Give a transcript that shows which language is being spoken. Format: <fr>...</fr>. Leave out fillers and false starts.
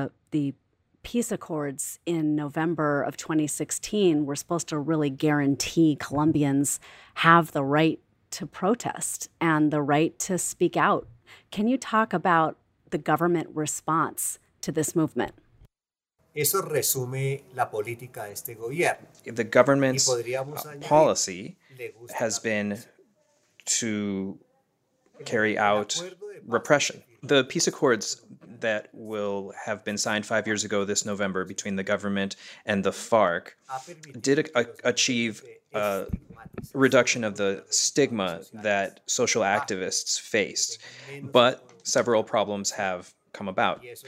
<en>the peace accords in November of 2016 were supposed to really guarantee Colombians have the right to protest and the right to speak out. Can you talk about the government response to this movement?</en> <es>Eso resume la política de este gobierno.</es> <en>The government's policy has been to carry out repression. The peace accords that will have been signed 5 years ago this November between the government and the FARC did achieve a reduction of the stigma that social activists faced, but several problems have come about.</en>